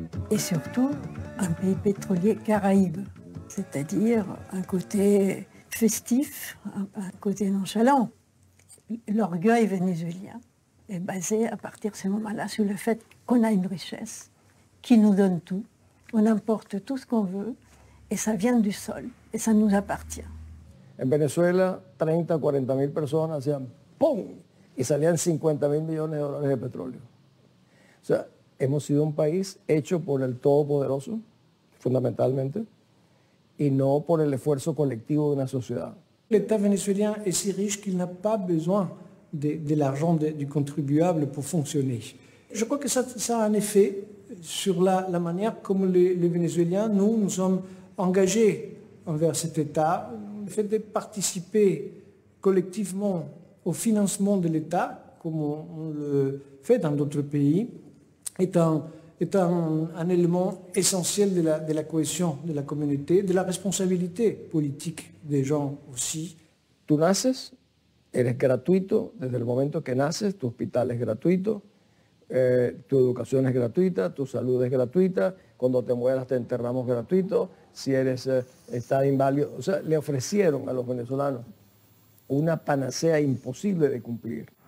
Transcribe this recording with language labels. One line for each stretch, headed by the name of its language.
French: Et surtout un pays pétrolier caraïbe, c'est-à-dire un côté festif, un côté nonchalant. L'orgueil vénézuélien est basé à partir de ce moment-là sur le fait qu'on a une richesse qui nous donne tout, on importe tout ce qu'on veut et ça vient du sol et ça nous appartient.
Spanish: En Venezuela, 30 40 000
French: personnes
Spanish: hacían ¡pum! Y salían 50 000 millones de dólares de petróleo. O sea, hemos sido un país hecho por el Todopoderoso, fundamentalmente, y no por el esfuerzo colectivo de una sociedad.
French: L'État vénézuélien est si riche qu'il n'a pas besoin de l'argent du contribuable pour fonctionner. Je crois que ça a un effet sur la manière comme les Vénézuéliens, nous sommes engagés envers cet État. Le fait de participer collectivement au financement de l'État, comme on le fait dans d'autres pays, est un élément essentiel de la cohésion de la communauté, de la responsabilité politique des gens aussi.
Spanish: Tu naces, eres gratuito desde el momento que naces, tu hospital es gratuito, tu educación es gratuita, tu salud es gratuita, cuando te mueras te enterramos gratuito, si eres está inválido, o sea, le ofrecieron a los venezolanos una panacea imposible de cumplir.